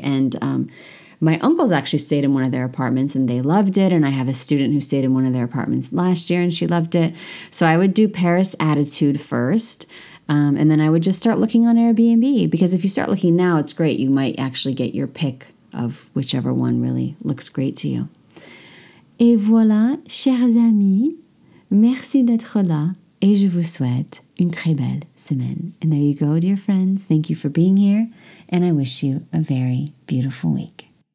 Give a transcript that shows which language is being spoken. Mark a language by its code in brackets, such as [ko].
[en] And my uncle's actually stayed in one of their apartments, and they loved it. And I have a student who stayed in one of their apartments last year, and she loved it. So I would do Paris Attitude first. And then I would just start looking on Airbnb, because if you start looking now, it's great. You might actually get your pick of whichever one really looks great to you. [fr] Et voilà, chers amis, merci d'être là et je vous souhaite une très belle semaine. [en] And there you go, dear friends. Thank you for being here, and I wish you a very beautiful week.